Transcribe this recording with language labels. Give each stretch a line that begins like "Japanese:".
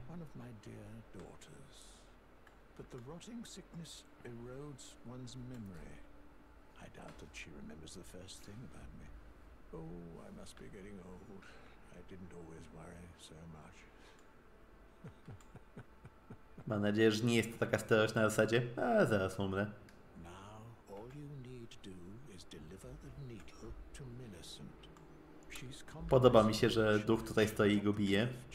English: One of my dear daughters. But the rotting sickness erodes one's memory. I doubt that she remembers the first thing about me. Oh, I must be getting old. I didn't always worry so much.
Polish: Mam nadzieję, że nie jest to taka starość na zasadzie. A zaraz umrę.
English: Now all you need do is deliver the needle to Millicent.
Polish: Podoba mi się, że duch tutaj stoi i go bije.